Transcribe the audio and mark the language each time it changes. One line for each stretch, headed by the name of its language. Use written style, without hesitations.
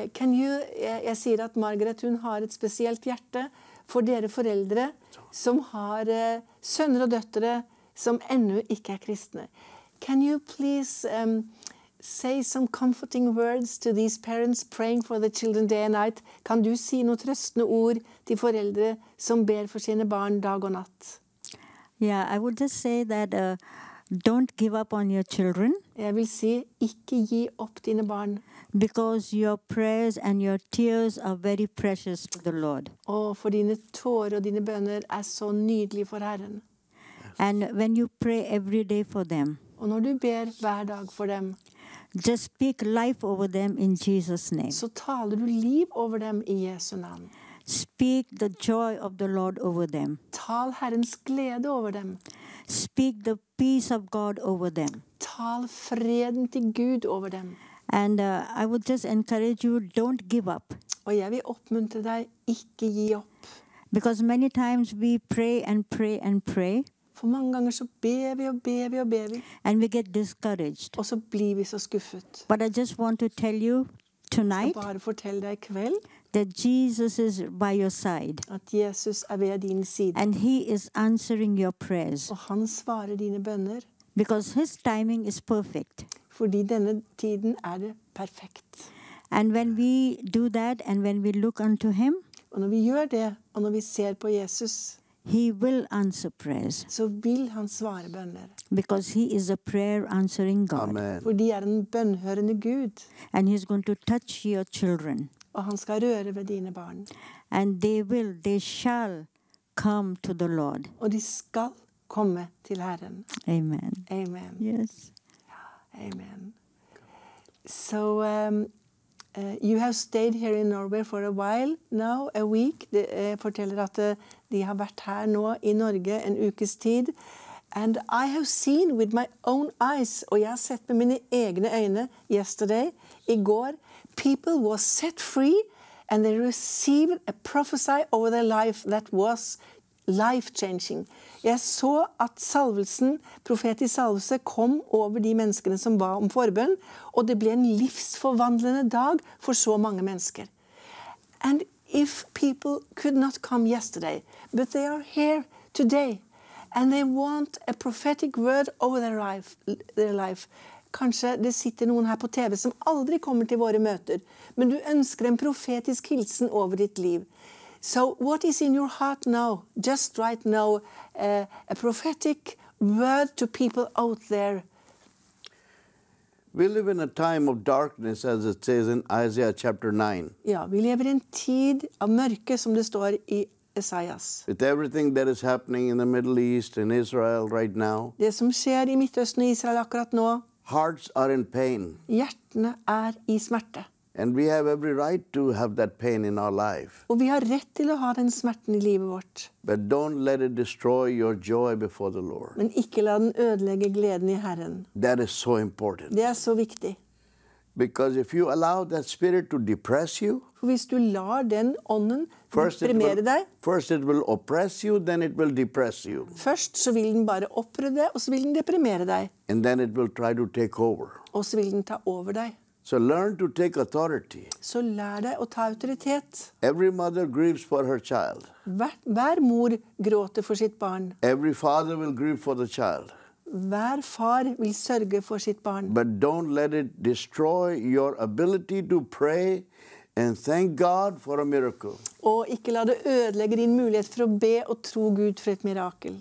Norwegian: Can you, jeg sier at Margaret, hun har et spesielt hjerte for dere foreldre som har sønner og døtre som enda ikke er kristne.
English: Can you please say some comforting words to these parents praying for the children day and night?
Norwegian: Kan du si noen trøstende ord til foreldre som ber for sine barn dag og natt?
English: Yeah, I would just say that don't give up on your children.
Norwegian: Jeg vil si, ikke gi opp dine barn.
English: Because your prayers and your tears are very precious to the Lord.
Norwegian: Og for dine tårer og dine bønner er så nydelige for Herren.
English: And when you pray every day for them.
Norwegian: Og når du ber hver dag for dem,
English: just speak life over them in Jesus' name.
Norwegian: Så taler du liv over dem i Jesu navn.
English: Speak the joy of the Lord over them.
Norwegian: Tal Herrens glede over dem.
English: Speak the peace of God over them.
Norwegian: Tal freden til Gud over dem.
English: And I would just encourage you, don't give up.
Norwegian: Og jeg vil oppmuntre deg, ikke gi opp.
English: Because many times we pray and pray and pray.
Norwegian: For mange ganger så ber vi og ber vi og ber vi.
English: And we get discouraged.
Norwegian: Og så blir vi så skuffet.
English: But I just want to tell you tonight.
Norwegian: Jeg skal bare fortelle deg i kveld.
English: That Jesus is by your side.
Norwegian: At Jesus er ved din side.
English: And he is answering your prayers.
Norwegian: Og han svarer dine bønner.
English: Because his timing is perfect.
Norwegian: Fordi denne tiden er det perfekt.
English: And when we do that and when we look unto him.
Norwegian: Og når vi gjør det og når vi ser på Jesus.
English: He will answer prayers.
Norwegian: Så vil han svare bønner.
English: Because he is a prayer answering God. Amen.
Norwegian: Fordi han er en bønnhørende Gud.
English: And he is going to touch your children.
Norwegian: Og han skal røre ved dine barn.
English: And they shall come to the Lord. Og de skal komme til Herren. Amen. Amen. Yes. Amen. So you have stayed here in Norway for a while now, a week.
Norwegian: Det forteller at de har vært her nå i Norge en ukes tid.
English: And I have seen with my own eyes,
Norwegian: og jeg har sett med mine egne øyne
English: yesterday,
Norwegian: i går,
English: people were set free and they received a prophecy over their life that was life-changing.
Norwegian: Jeg så at salvelsen, profetisk salvelse, kom over de menneskene som ba om forbønn, og det ble en livsforvandlende dag for så mange mennesker.
English: And if people could not come yesterday, but they are here today, and they want a prophetic word over their life,
Norwegian: kanskje det sitter noen her på TV som aldri kommer til våre møter, men du ønsker en profetisk hilsen over ditt liv.
English: So what is in your heart now, just right now, a prophetic word to people out there? We live in a time of darkness, as it says in Isaiah chapter 9.
Norwegian: Ja, vi lever i en tid av mørke, som det står i Esaias.
English: With everything that is happening in the Middle East and Israel right now.
Norwegian: Det som skjer i Midtøsten og Israel akkurat nå.
English: Hearts are in pain.
Norwegian: Hjertene er i smerte.
English: And we have every right to have that pain in our life.
Norwegian: Og vi har rett til å ha den smerten i livet vårt.
English: But don't let it destroy your joy before the Lord.
Norwegian: Men ikke la den ødelegge gleden i Herren.
English: That is so important.
Norwegian: Det er så viktig.
English: Because if you allow that spirit to depress you,
Norwegian: for hvis du lar den ånden deprimere deg,
English: first it will oppress you, then it will depress you.
Norwegian: Først så vil den bare opprøre deg, og så vil den deprimere deg.
English: And then it will try to take over.
Norwegian: Og så vil den ta over deg.
English: So learn to take authority.
Norwegian: Så lær deg å ta autoritet.
English: Every mother grieves for her child.
Norwegian: Hver mor gråter for sitt barn.
English: Every father will grieve for the child.
Norwegian: Hver far vil sørge for sitt barn.
English: But don't let it destroy your ability to pray and thank God for a miracle.
Norwegian: Og ikke la det ødelegge din mulighet for å be og tro Gud for et mirakel.